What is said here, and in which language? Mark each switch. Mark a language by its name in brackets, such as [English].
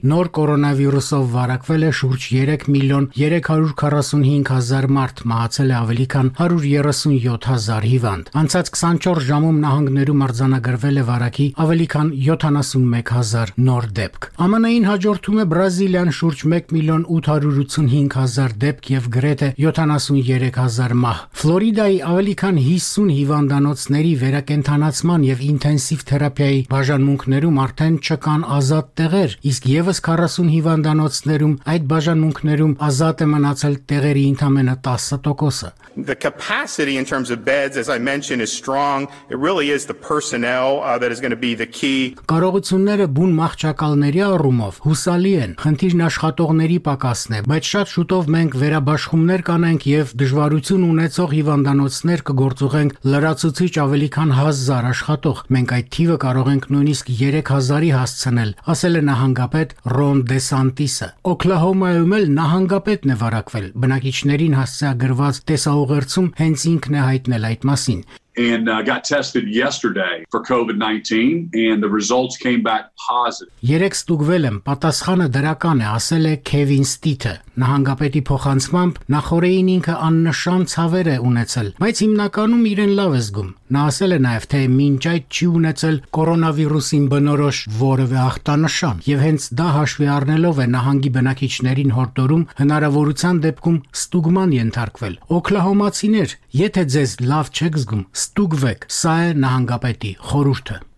[Armenian] նոր կորոնավիրուսով վարակվել է շուրջ 3,345,000 մարդ, մահացել է ավելի քան 137,000 հիվանդ։ Անցած 24 ժամում նահանգներում արձանագրվել է վարակի ավելի քան 71,000 նոր դեպք։ ԱՄՆ-ին հաջորդում է Բրազիլիան շուրջ 1,885,000 դեպք եւ գրեթե 73,000 մահ։ Ֆլորիդայի ավելի քան 50 հիվանդանոցների վերակենդանացման եւ ինտենսիվ թերապիայի բաժանմունքներում արդեն չկան ազատ տեղեր, իսկ ևս 40 հիվանդանոցներում այդ բաժանմունքներում ազատ է մնացել տեղերի ընդամենը 10%-ը. [English] The capacity in terms of beds, as I mentioned, is strong. It really is the personnel that is going to be the key. [Armenian] Կարողությունները բուն մահճակալների առումով հուսալի են, խնդիրն աշխատողների պակասն է, բայց շատ շուտով մենք վերաբաշխումներ կանենք եւ դժվարություն ունեցող հիվանդանոցներ կգործուղենք լրացուցիչ ավելի քան 1000 աշխատող։ Մենք այդ թիվը կարող ենք նույնիսկ 3000-ի հասցնել, ասել է նահանգապետ Ռոն Դեսանտիսը։ Օկլահոմայում էլ նահանգապետն է վարակվել, բնակիչներին հասցեագրված տեսաուղերձում հենց ինքն է հայտնել այդ մասին։ [English] And got tested yesterday for COVID-19 and the results came back positive. [Armenian] Երեք ստուգվել եմ, պատասխանը դրական է, ասել է Քևին Ստիթը։ Նահանգապետի փոխանցմամբ նախորդին ինքը աննշան ցավեր է ունեցել, բայց հիմնականում իրեն լավ է զգում։ Նա ասել է նաև, թե մինչ այդ չի ունեցել կորոնավիրուսին բնորոշ որևէ ախտանշան, եւ հենց դա հաշվի առնելով է նահանգի բնակիչներին հորդորում հնարավորության դեպքում ստուգման ենթարկվել։ Օկլահոմացիներ, եթե ձեզ լավ չեք զգում, ստուգվեք, սա է նահանգապետի խորհուրդը։